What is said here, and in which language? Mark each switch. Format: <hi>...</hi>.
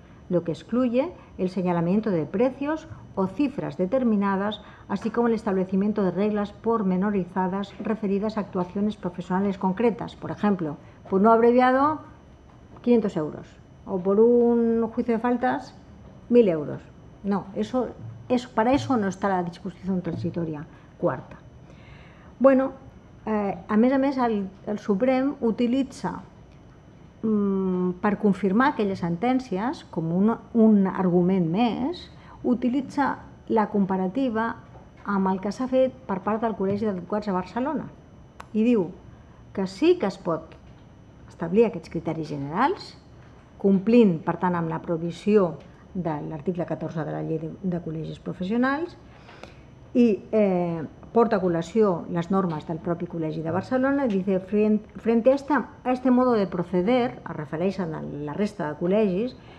<es>lo que excluye el señalamiento de precios o cifras determinadas, así como el establecimiento de reglas pormenorizadas referidas a actuaciones profesionales concretas, por ejemplo, por no abreviado, 500 euros, o por un juicio de faltas, 1.000 euros. No, eso, para eso no está la disposición transitoria cuarta.</es> <ca>Bueno, a més, el Suprem utilitza per confirmar aquelles sentències, com un argument més, utilitza la comparativa amb el que s'ha fet per part del Col·legi d'Advocats a Barcelona. I diu que sí que es pot establir aquests criteris generals, complint, per tant, amb la provisió de l'article 14 de la Llei de Col·legis Professionals, i porta a col·lació les normes del propi Col·legi de Barcelona, i</ca> <es>dice, frente a este modo de proceder,</es> <ca>es refereix a la resta de col·legis,</ca>